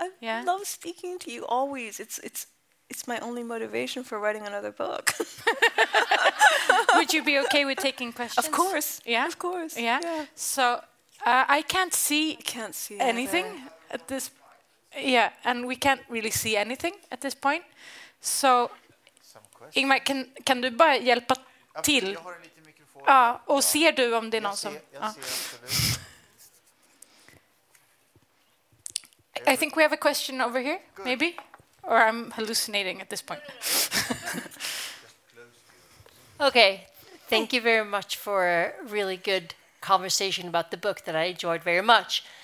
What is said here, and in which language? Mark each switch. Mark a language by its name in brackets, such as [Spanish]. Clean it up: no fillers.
[English] I love speaking to you always. It's my only motivation for writing another book. Would you be okay with taking questions? Of course. Yeah? Of course. Yeah? So I can't see, anything at this point. Yeah, and we can't really see anything at this point. [Swedish] So, Ingmar, kan du bara hjälpa till? Jag har en liten mikrofon. Ja, och ser du om det är någon som... Jag ser absolut. [English] I think we have a question over here, maybe. Or I'm hallucinating at this point. Okay, thank you very much for a really good conversation about the book that I enjoyed very much.